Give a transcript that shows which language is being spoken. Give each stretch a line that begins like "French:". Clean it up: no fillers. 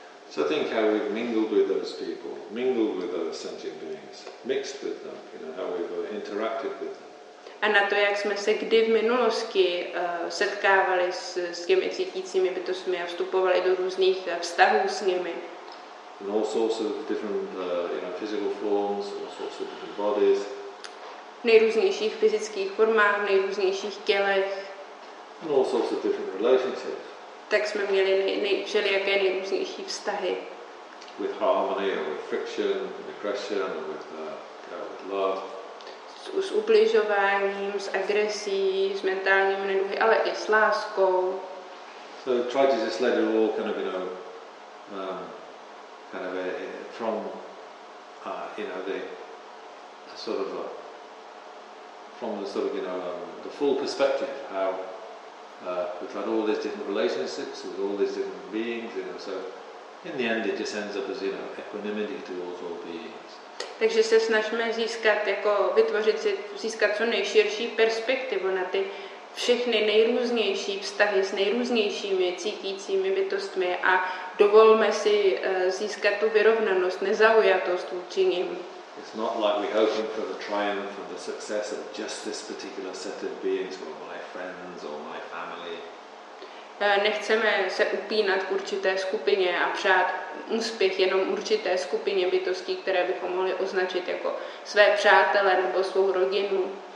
English: So think how we've mingled with those people, mingled with those sentient beings, mixed with them, you know, how we've interacted with them.
Czech: A na to, jak jsme se kdy v minulosti setkávali s těmi cítícími bytostmi a vstupovali do různých vztahů s nimi.
English: In all sorts of different, you know, physical forms, all sorts of different bodies.
Czech: V nejrůznějších fyzických formách, v nejrůznějších tělech.
English: In all sorts of different relationships.
Czech: Tak jsme měli všelijaké nejrůznější vztahy.
English: With harmony, or with friction, with aggression, or with, with love.
Czech: S ubližováním, s agresí, s mentálními neduhy, ale i s láskou.
English: So try to just let it all kind of, you know, kind of a, from, you know, the sort of, from the sort of, you know, the full perspective, how we've had all these different relationships with all these different beings, you know, so in the end it just ends up as, you know, equanimity towards all beings.
Czech: Takže se snažíme získat, jako vytvořit si, získat co nejširší perspektivu na ty všechny nejrůznější vztahy s nejrůznějšími cítícími bytostmi a dovolme si získat tu vyrovnanost, nezaujatost vůči nim.
English: It's not like we're hoping for the triumph and the success of just this particular set of beings, or my friends or my family.
Czech: nechceme se upínat k určité skupině a přát úspěch jenom určité skupině bytostí, které bychom mohli označit jako své přátele nebo svou rodinu.